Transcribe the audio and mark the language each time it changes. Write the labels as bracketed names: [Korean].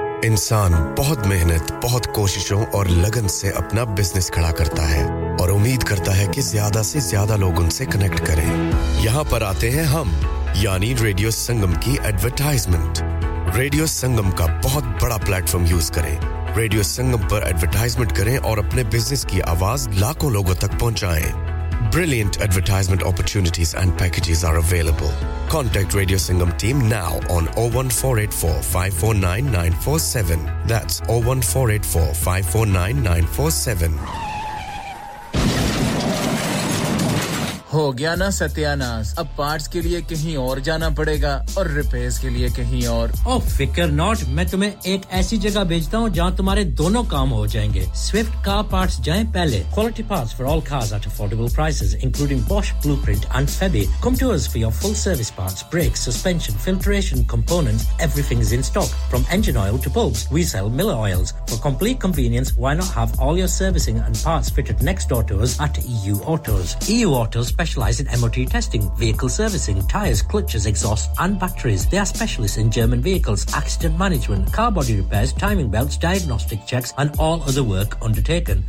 [Hindi] इंसान बहुत मेहनत, बहुत कोशिशों और लगन से अपना बिजनेस खड़ा करता है और उम्मीद करता है कि ज्यादा से ज्यादा लोग उनसे कनेक्ट करें। यहां पर आते हैं हम, यानी रेडियो संगम की एडवर्टाइजमेंट। रेडियो संगम का बहुत बड़ा प्लेटफॉर्म यूज करें, रेडियो संगम पर एडवर्टाइजमेंट करें और अपने बिजनेस की आवाज लाखों लोगों तक पहुंचाएं। [English] Brilliant advertisement opportunities and packages are available. Contact Radio Sangam team now on 01484 549947. That's 01484 549947. [Hindi] हो गया ना सत्यानाश, अब पार्ट्स के लिए कहीं और जाना पड़ेगा और रिपेयर्स के लिए कहीं और। ओ फिकर नॉट, मैं तुम्हें एक ऐसी जगह भेजता हूँ जहाँ तुम्हारे दोनों काम हो जाएंगे। स्विफ्ट कार पार्ट्स जाएं पहले। [English] Quality parts for all cars at affordable prices including Bosch Blueprint and Febi. Come to us for your full service parts, brakes, suspension, filtration components, everything is in stock from engine oil to bulbs. We sell Miller oils for complete convenience. Why not have all your servicing and parts fitted next door to us at EU Autos. EU Autos specialize in MOT testing, vehicle servicing, tires, clutches, exhausts, and batteries. They are specialists in German vehicles, accident management, car body repairs, timing belts, diagnostic checks, and all other work undertaken.